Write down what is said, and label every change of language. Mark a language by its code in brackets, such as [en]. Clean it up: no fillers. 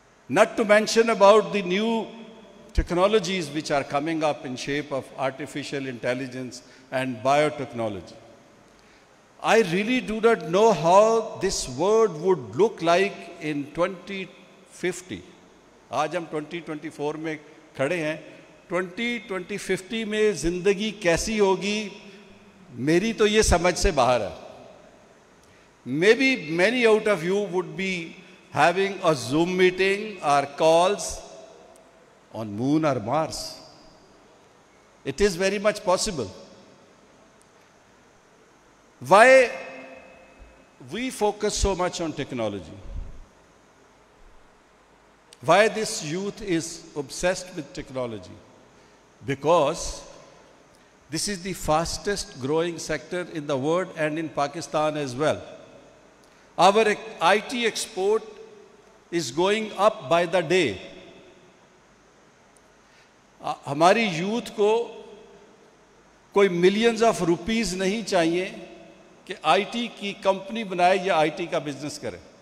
[en] Not to mention about the new technologies which are coming up in shape of artificial intelligence and biotechnology. I really do not know how this world would look like in 2050. [ur] آج ہم 2024 میں کھڑے ہیں. 2050 میں زندگی کیسی ہوگی میری تو یہ سمجھ سے باہر ہے. [en] May be many out of you would be having a Zoom meeting or calls on moon or Mars. It is very much possible. Why we focus so much on technology? Why this youth is obsessed with technology? Because this is the fastest growing sector in the world and in Pakistan as well. Our IT export is going up by the day. [ur] Hamari youth ko koi [en] millions of rupees [ur] nahi chahiye ki IT ki company banaye ya IT ka business kare.